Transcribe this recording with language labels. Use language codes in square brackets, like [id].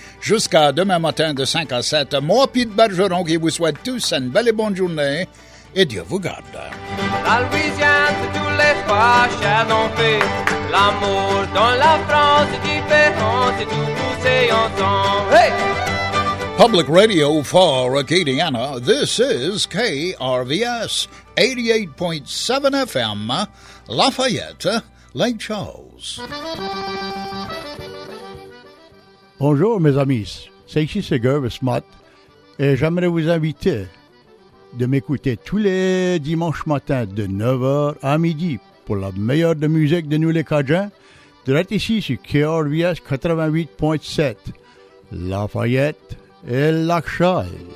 [fr] Jusqu'à demain matin de 5 à 7, moi, Pete Bergeron, qui vous souhaite tous une belle et bonne journée. Et Dieu vous garde. La Louisiane, c'est tous les fois, cher non fait. L'amour dans la France, c'est différent, c'est tout poussé ensemble. Hey! [en] Public Radio for Acadiana, this is KRVS, 88.7 FM, Lafayette, Lake Charles. [fr] Bonjour, mes amis. C'est ici Seger, le Smart, et j'aimerais vous inviter de m'écouter tous les dimanches matins de 9h à midi pour la meilleure de musique de nous les Cajuns, direct ici sur KRVS 88.7, Lafayette et Lake Charles.